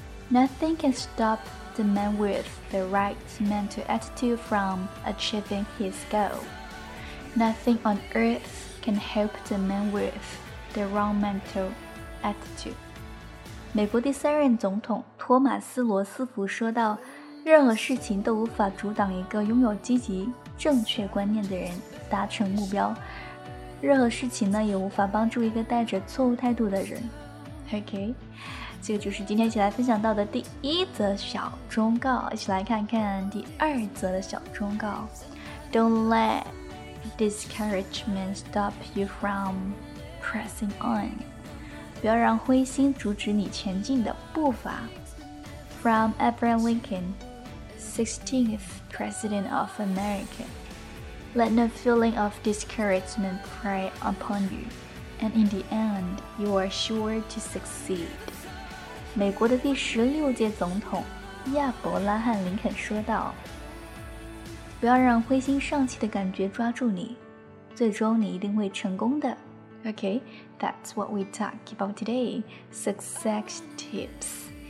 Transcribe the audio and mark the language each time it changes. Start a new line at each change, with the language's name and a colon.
English: Nothing can stop the man with the right mental attitude from achieving his goal. Nothing on earth can help the man with the wrong mental attitude.
Chinese: 美国第三任总统托马斯·罗斯福说道，任何事情都无法阻挡一个拥有积极、正确观念的人达成目标。任何事情呢，也无法帮助一个带着错误态度的人。 OK， 这个就是今天一起来分享到的第一则小忠告。一起来看看第二则的小忠告。
English: Don't let discouragement stop you from pressing on.
Chinese: 不要让灰心阻止你前进的步伐。
English: From Abraham Lincoln, 16th President of America. Let no feeling of discouragement prey upon you, and in the end, you are sure to succeed.
Chinese: 美国的第十六届总统亚伯拉罕·林肯说道，不要让灰心丧气的感觉抓住你，最终你一定会成功的。
English: Okay, that's what we talk about today. Success tips.